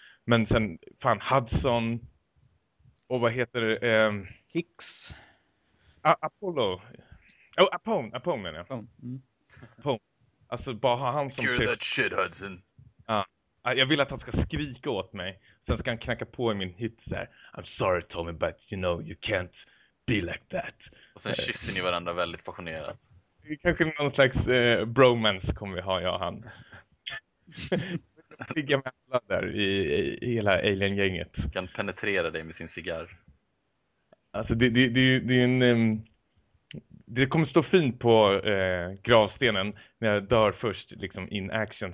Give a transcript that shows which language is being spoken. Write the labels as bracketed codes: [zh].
[sv] Men sen fan Hudson och vad heter det? Hicks. Apollo. Oh, Apone menar jag. Apone. Alltså bara han som [en] ser... that shit, Hudson. [sv] Jag vill att han ska skrika åt mig. Sen ska han knacka på i min hytt så här. [en] I'm sorry Tommy, but you know you can't be like that. [sv] Och sen kysser ni varandra väldigt passionerat. Kanske någon slags bromance kommer vi ha, jag och han. Ligga med alla där i hela alien-gänget. Kan penetrera dig med sin cigarr. Alltså det är ju en... det kommer stå fint på gravstenen när jag dör först liksom [en] in action.